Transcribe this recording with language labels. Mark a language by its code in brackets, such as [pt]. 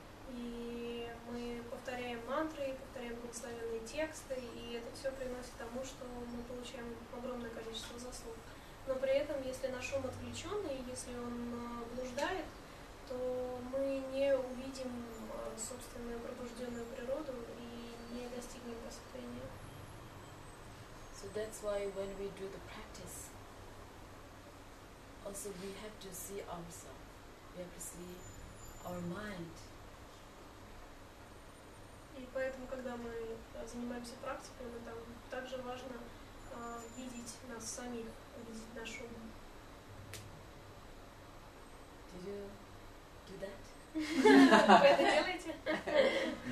[ru] И мы повторяем мантры, повторяем благословенные тексты, и это все приносит к тому, что мы получаем огромное количество заслуг. Но при этом, если наш ум отвлеченный, если он блуждает, то мы не увидим собственную пробужденную природу и не достигнем просветления. [en] So that's why when we do the practice, also we have to see ourselves, we have to see our mind. [ru] И поэтому, когда мы занимаемся практикой, мы там также важно видеть нас самих, видеть наш ум. [en] Did you do that? [ru] Вы это делаете?